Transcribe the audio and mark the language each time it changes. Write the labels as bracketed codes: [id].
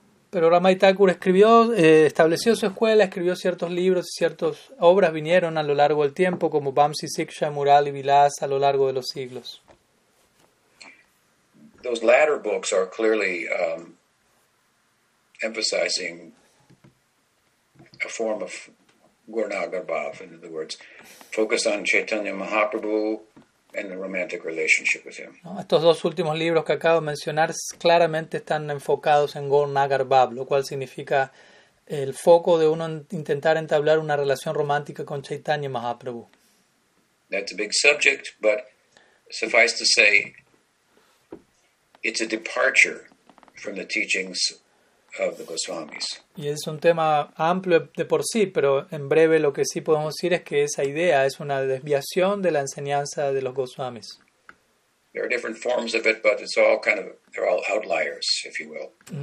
[es] Pero Ramai Thakur escribió, estableció su escuela, escribió ciertos libros y ciertas obras vinieron a lo largo del tiempo, como Bamsi Siksha, Murali Vilas, a lo largo de los siglos. [en] Those latter books are clearly emphasizing a form of Gurnagar Bhav, in other words, focus on Chaitanya Mahaprabhu and the romantic relationship with him. [es] No, estos dos últimos libros que acabo de mencionar claramente están enfocados en Gaur Nagar Bhav, lo cual significa el foco de uno intentar entablar una relación romántica con Chaitanya Mahaprabhu. [en] That's a big subject, but suffice to say, it's a departure from the teachings of the Goswamis. [es] Y es un tema amplio de por sí, pero en breve lo que sí podemos decir es que esa idea es una desviación de la enseñanza de los Goswamis. [en] There are different forms of it, but it's all kind of, they're all outliers, if you will.